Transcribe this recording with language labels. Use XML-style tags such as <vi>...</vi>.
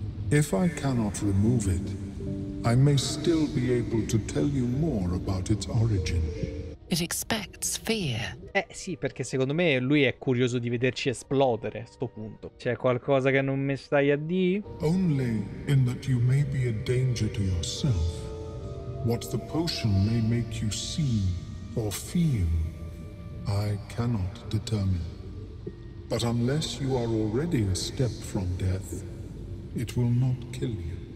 <en>If I cannot remove it, I may still be able to tell you more about its origin. It expects fear.</en> <it>Sì, perché secondo me lui è curioso di vederci esplodere a sto punto. C'è qualcosa che non mi stai a dire?</it> <en>Only in that you may be a danger to yourself. What the potion may make you see or feel, I cannot determine. But unless you are already a step from death, it will not kill you.</en>